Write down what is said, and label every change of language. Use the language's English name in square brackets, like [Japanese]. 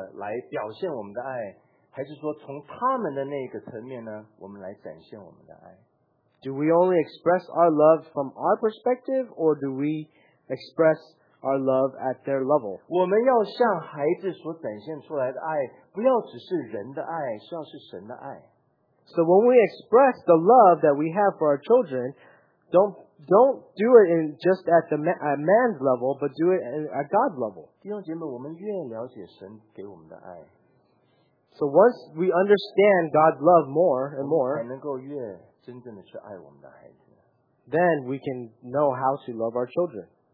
[Chinese] 我们多少时候是用主观的来表现我们的爱， 还是说从他们的那个层面呢， 我们来展现我们的爱？ [English] Do we only express our love from our perspective, or do we express our love at their level? [Chinese] 我们要向孩子所展现出来的爱，不要只是人的爱，是要是神的爱。 [English] So when we express the love that we have for our children, don't do it in just at the man's level, but do it at God's level. [Chinese] 弟兄姐妹，我们越了解神给我们的爱， [English] So once we understand God's love more and more, [Chinese] 我们才能够越真正的去爱我们的孩子。 [English] Then we can know how to love our children.